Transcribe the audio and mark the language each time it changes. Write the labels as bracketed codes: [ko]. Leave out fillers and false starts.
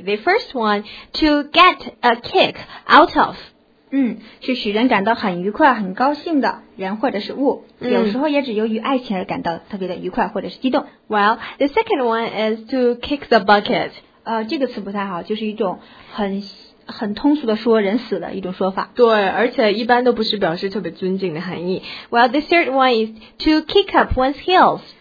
[en] The first one, to get a kick out of. [zh] 是使人感到很愉快、很高兴的人或者是物。有时候也只由于爱情而感到特别的愉快或者是激动。 [en] Well, the second one is to kick the bucket. [zh] 这个词不太好，就是一种很通俗的说人死的一种说法。对，而且一般都不是表示特别尊敬的含义。 [en] Well, the third one is to kick up one's heels.